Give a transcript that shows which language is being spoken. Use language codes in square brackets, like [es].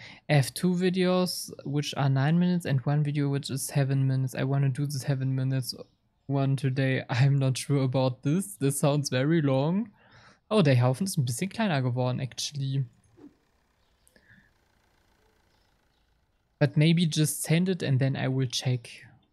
[en] F2 Videos, which are 9 minutes, and one video, which is 7 minutes. I wanna do this 7 minutes one today. I'm not sure about this. This sounds very long. [de] Oh, der Haufen ist ein bisschen kleiner geworden, [en] actually. But maybe just send it and then I will check.